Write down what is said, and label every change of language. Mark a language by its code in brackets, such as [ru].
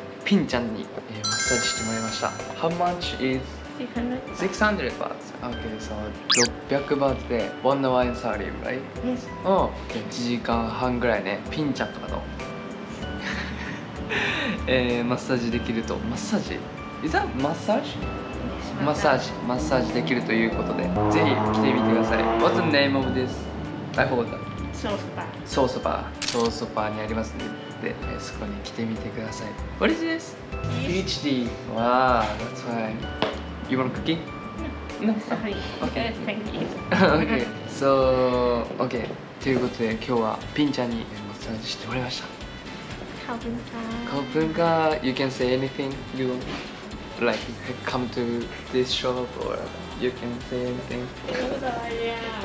[ja] ピンちゃんに、マッサージしてもらいました。 [en] How much is? 600 baht. Okay, so 600 baht で1 hour and 30, right? Yes. Oh, okay. [ja] 1時間半ぐらいね。ピンちゃんとかの マッサージできると。 [en] マッサージ Is that massage? [ja] マッサージ。マッサージできるということで、ぜひ来てみてください。 [en] What's the name of this? I forgot. [ja] ソースパー。ソースパー。ソースパーにありますね。で、そこに来てみてください。 [en] What is this? Yes. HD. Wow, that's fine. You want a cookie? No. No? Okay. Thank you. Okay. So, okay. [ja] ということで、今日はピンちゃんにマッサージしてもらいました。 [th] カオプンカー。カオプンカー。 [en] You can say anything you like. Come to this shop or you can say anything.